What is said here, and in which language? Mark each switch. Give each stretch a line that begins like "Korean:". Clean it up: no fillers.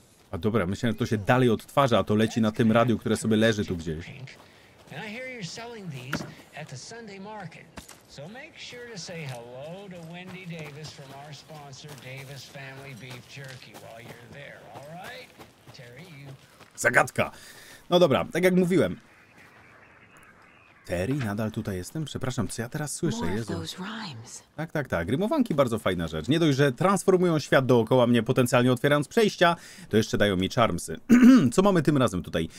Polish: A dobra, myślę, że to się dalej odtwarza, a to leci na tym radiu, które sobie leży tu gdzieś.
English: And I hear you're selling these at the Sunday market. So make sure to say hello to Wendy Davis from our sponsor Davis Family Beef Jerky while you're there, all right? Terry, you...
Polish: Zagadka. No dobra, tak jak mówiłem. Terry, nadal tutaj jestem? Przepraszam, co ja teraz słyszę? Jezu. Tak, tak, tak. Rymowanki, bardzo fajna rzecz. Nie dość, że transformują świat dookoła mnie, potencjalnie otwierając przejścia, to jeszcze dają mi charmsy. Co mamy tym razem tutaj?